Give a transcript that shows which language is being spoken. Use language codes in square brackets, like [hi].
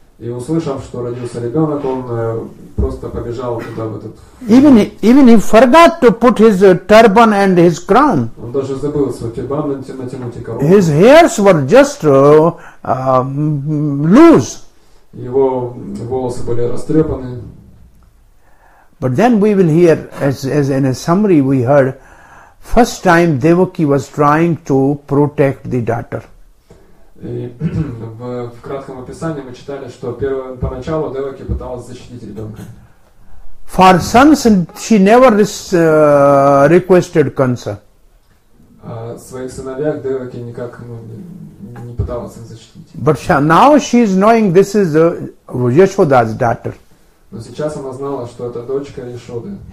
[ru] И услышав, что родился ребенок, он просто побежал туда, в этот... [en] Even he forgot to put his turban and his crown. [ru] Он даже забыл свой тюрбан натянуть и корону. [en] His hairs were just loose. [ru] Его волосы были растрепаны. [en] But then we will hear, as in a summary we heard, first time Devaki was trying to protect the daughter. [ru] В кратком описании мы читали, что поначалу Деваки пыталась защитить ребенка. [en] For sons she never requested Kamsa. [ru] Своих сыновей Деваки никак не пыталась их защитить. [en] But now she is knowing this is Yashoda's daughter. [ru] Но сейчас она знала, что это дочка Яшоды.